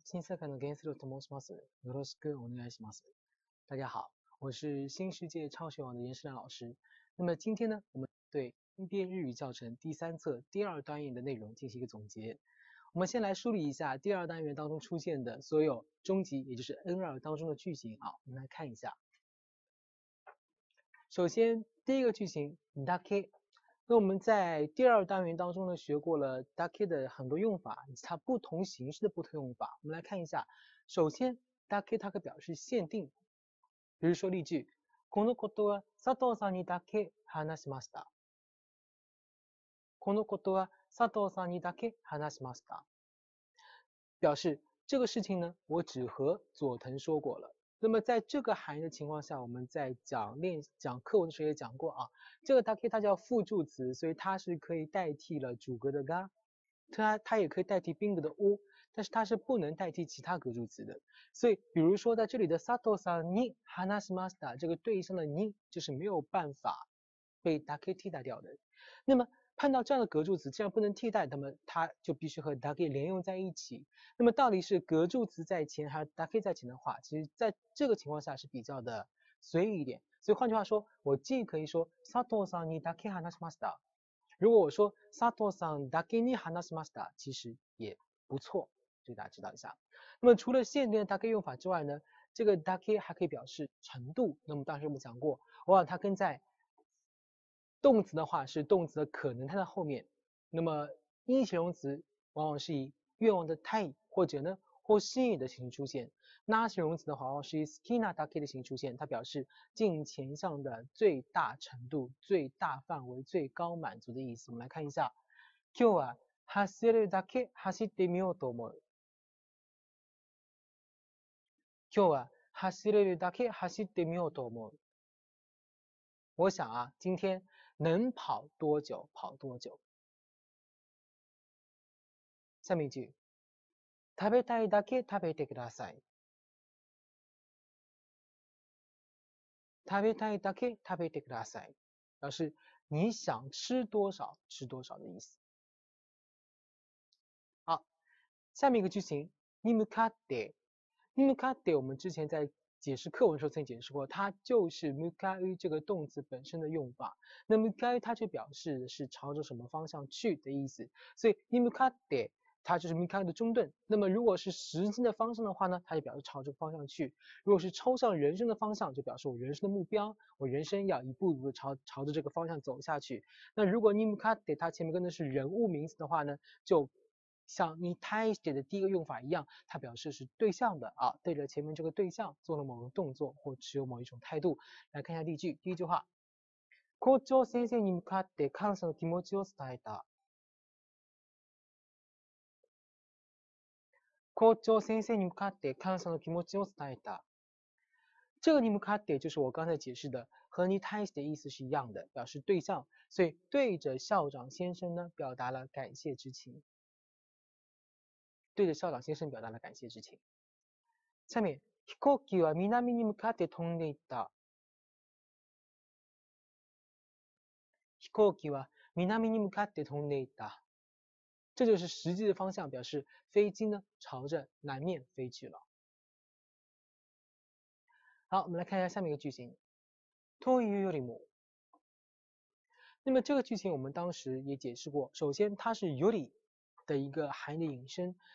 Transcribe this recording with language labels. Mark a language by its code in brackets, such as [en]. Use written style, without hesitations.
[ja] 新世界の原子炉と申します。よろしくお願いします。 [zh] 大家好，我是新世界畅学网的严世良老师。那么今天呢，我们对应变日语教程第三册第二单元的内容进行一个总结。我们先来梳理一下第二单元当中出现的所有中级，也就是 N2 当中的句型啊，我们来看一下。首先，第一个句型 dake。那我们在第二单元当中呢，学过了 dake 的很多用法，以及它不同形式的不同用法。我们来看一下，首先 dake 它可表示限定，比如说例句， [ja] このことは佐藤さんにだけ話しました。このことは佐藤さんにだけ話しました。 [zh] 表示这个事情呢，我只和佐藤说过了。那么在这个含义的情况下，我们在讲课文的时候也讲过啊，这个 dake 它叫复助词，所以它是可以代替了主格的 ga，它也可以代替宾格的 u，但是它是不能代替其他格助词的。所以比如说在这里的 [ja] sato san ni hanashimasu da [zh] 这个对应上的 ni 就是没有办法被 dake 替代掉的。那么碰到这样的格助词，既然不能替代，那么它就必须和 dake 连用在一起。那么到底是格助词在前还是 dake 在前的话，其实在这个情况下是比较的随意一点。所以换句话说，我既可以说 [ja] 佐藤さんに dake 話しました。 [zh] 如果我说 [ja] 佐藤さん dake に話しました， [zh] 其实也不错，就大家知道一下。那么除了限定的 dake 用法之外呢，这个 dake 还可以表示程度。那么当时我们讲过，往往它跟在动词的话是动词的可能态的后面，那么因形容词往往是以愿望的态或者呢或心意的形式出现，那形容词的话往往是以 skina dake 的形式出现，它表示尽前项的最大程度、最大范围、最高满足的意思。我们来看一下， [ja] 今日は走るだけ走ってみようと思う。今日は走るだけ走ってみようと思う。 [zh] 我想啊，今天能跑多久跑多久。下面一句， [ja] 食べたいだけ食べてください。食べたいだけ食べてください。 [zh] 表示你想吃多少吃多少的意思。好，下面一个句型，に向かって。に向かって我们之前在解释课文时候曾经解释过，它就是向かう这个动词本身的用法。那向かう它就表示是朝着什么方向去的意思，所以に向かって它就是向かう的中断。那么如果是时间的方向的话呢，它就表示朝着方向去；如果是抽象人生的方向，就表示我人生的目标，我人生要一步一步朝着这个方向走下去。那如果に向かって它前面跟的是人物名词的话呢，就像你开始的第一个用法一样，它表示是对象的啊，对着前面这个对象做了某个动作或持有某一种态度。来看一下例句，第一句话， [ja] 校長先生に向かって感謝の気持ちを伝えた。校長先生に向かって感謝の気持ちを伝えた。 [zh] 这个に向かって就是我刚才解释的，和你开始的意思是一样的，表示对象，所以对着校长先生呢，表达了感谢之情。对着校长先生表达了感谢之情。 [ja] 下面，飛行機は南に向かって飛んでいった。飛行機は南に向かって飛んでいった。 [zh] 这就是实际的方向，表示飞机呢朝着南面飞去了。好，我们来看一下下面一个句型，というよりも。那么这个句型我们当时也解释过，首先它是より的一个含义的引申。